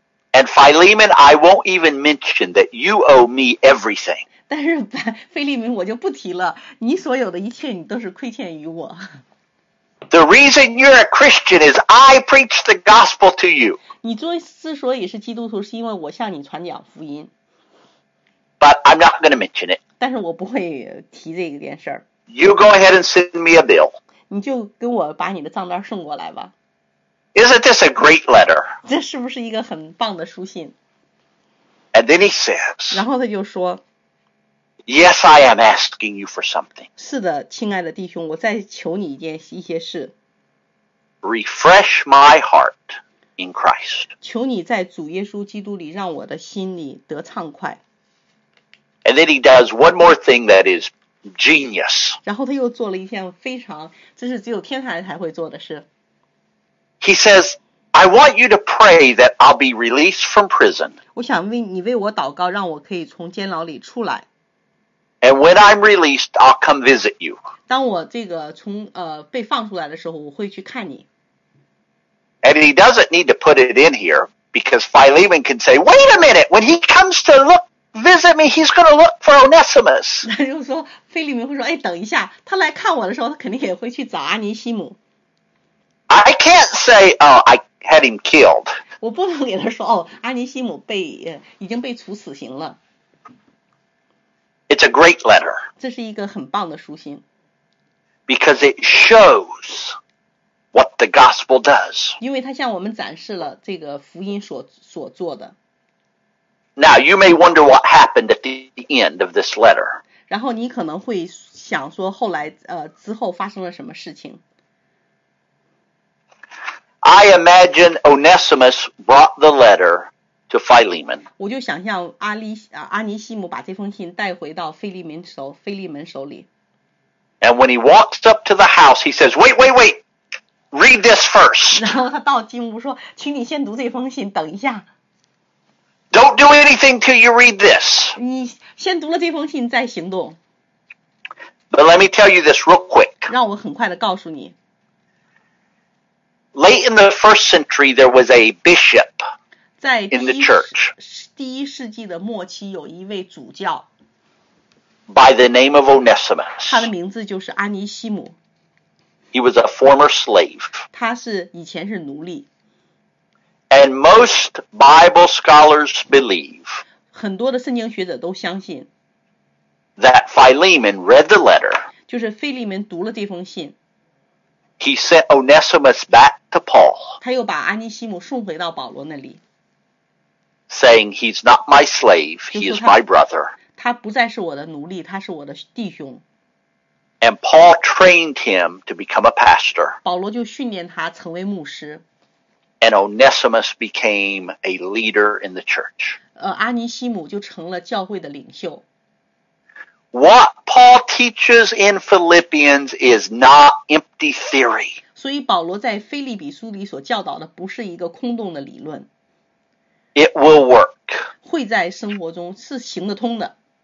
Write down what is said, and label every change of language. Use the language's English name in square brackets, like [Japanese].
[English] And Philemon, I won't even mention that you owe me everything. [Chinese] 但是腓立门我就不提了，你所有的一切你都是亏欠于我。 [English] The reason you're a Christian is I preach the gospel to you. [Chinese] 你之所以是基督徒，是因为我向你传讲福音。 [English] But I'm not going to mention it. [Chinese] 但是我不会提这个件事。 [English] You go ahead and send me a bill. [Chinese] 你就跟我把你的账单送过来吧。 [English] Isn't this a great letter? [Chinese] 这是不是一个很棒的书信？ [English] And then he says. [Chinese] 然后他就说。 [English] Yes, I am asking you for something. [Chinese] 是的，亲爱的弟兄，我在求你一些事。 [English] Refresh my heart in Christ. [Chinese] 求你在主耶稣基督里让我的心里得畅快。 [English] And then he does one more thing that is genius. [Chinese] 然后他又做了一件非常，这是只有天才才会做的事。 [English] He says, I want you to pray that I'll be released from prison. [Chinese] 我想为你为我祷告，让我可以从监牢里出来。 [English] And when I'm released, I'll come visit you. [Chinese] 当我这个从被放出来的时候，我会去看你。 [English] And he doesn't need to put it in here because Philemon can say, "Wait a minute! When he comes to look visit me, he's going to look for Onesimus." [Chinese] 那就是说，腓立门会说，哎，等一下，他来看我的时候，他肯定也会去找阿尼西姆。 [English] I can't say, "Oh, I had him killed." [Chinese] 我不能给他说，哦，阿尼西姆被已经被处死刑了。 [English] It's a great letter. [Chinese] 这是一个很棒的书信。 [English] Because it shows what the gospel does. [Chinese] 因为它向我们展示了这个福音所做的。 [English] Now you may wonder what happened at the end of this letter. [Chinese] 然后你可能会想说后来之后发生了什么事情。 [English] I imagine Onesimus brought the letter. To Philemon. [Chinese] 我就想象阿尼西姆把这封信带回到腓立门手里。 [English] And when he walks up to the house, he says, "Wait, wait, wait, read this first." [Chinese] 然后他到进屋说，请你先读这封信，等一下。 [English] Don't do anything till you read this. [Chinese] 你先读了这封信再行动。 [English] But let me tell you this real quick. [Chinese] 让我很快的告诉你。 [English] Late in the first century, there was a bishop. In the church, [Chinese] 第一世纪的末期有一位主教。 [English] by the name of Onesimus. [Chinese] 他的名字就是阿尼西姆。 [English] He was a former slave. [Chinese] 他是以前是奴隶。 [English] And most Bible scholars believe. [Chinese] 很多的圣经学者都相信。 [English] That Philemon read the letter. [Chinese] 就是腓利门读了这封信。 [English] He sent Onesimus back to Paul. [Chinese] 他又把阿尼西姆送回到保罗那里。 [English] Saying he's not my slave, he is my brother. [Chinese] 他不再是我的奴隶，他是我的弟兄。 [English] And Paul trained him to become a pastor. [Chinese] 保罗就训练他成为牧师。 [English] And Onesimus became a leader in the church. [Chinese] 阿尼西姆就成了教会的领袖。 [English] What Paul teaches in Philippians is not empty theory. [Chinese] 所以保罗在腓利比书里所教导的不是一个空洞的理论。 [English] It will work. [Chinese] 会在生活中是行得通的。